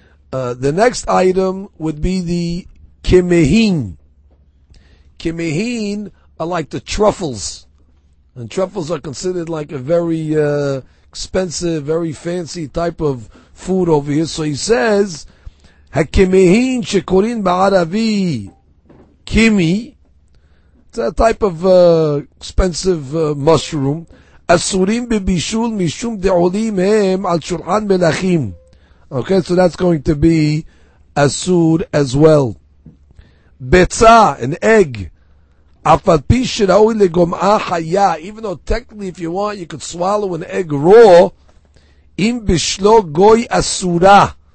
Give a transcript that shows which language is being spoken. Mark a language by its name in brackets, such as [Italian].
[English] The next item would be the kimehin. Kimehin are like the truffles. And truffles are considered like a very expensive, very fancy type of food over here. So he says, [Hebrew] הקמהין שקוראים בערבי קימי, [English] it's a type of expensive mushroom, [Hebrew] אסורים בבישול משום דעולים הם על שולחן מלאכים. [English] Okay, so that's going to be אסור as well. ביצה, an egg, [Hebrew] אף על פי שראוי לגומעה חיה, [English] even though technically if you want you could swallow an egg raw, [Hebrew] אם בשלו גוי אסורה.